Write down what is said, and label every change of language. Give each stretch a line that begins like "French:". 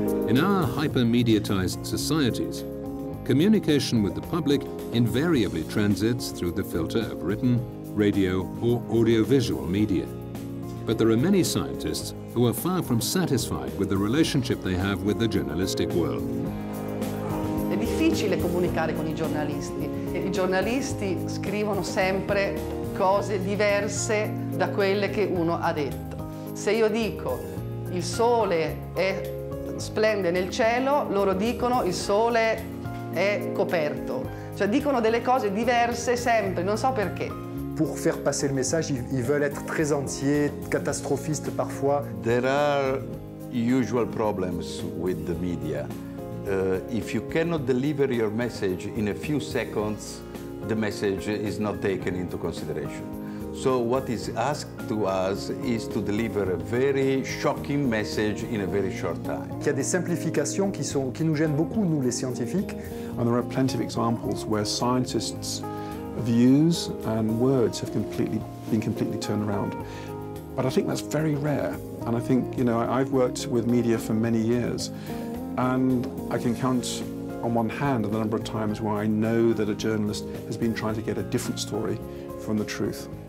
English: In our hyper-mediatized societies, communication with the public invariably transits through the filter of written, radio, or audiovisual media. But there are many scientists who are far from satisfied with the relationship they have with the journalistic world.
Italian: È difficile comunicare con I giornalisti. I giornalisti scrivono sempre cose diverse da quelle che uno ha detto. Se io dico il sole splende nel cielo, loro dicono il sole è coperto. Cioè dicono delle cose diverse sempre, non so perché.
French: Pour faire passer le message, ils veulent être très entiers, catastrophistes parfois.
English: There are usual problems with the media. If you cannot deliver your message in a few seconds, the message is not taken into consideration. So what is asked to us is to deliver a very shocking message in a very short time.
French: Il y a des simplifications qui nous gênent beaucoup, nous les scientifiques.
English: And there are plenty of examples where scientists' views and words have been completely turned around. But I think that's very rare. And I think, you know, I've worked with media for many years, and I can count on one hand the number of times where I know that a journalist has been trying to get a different story from the truth.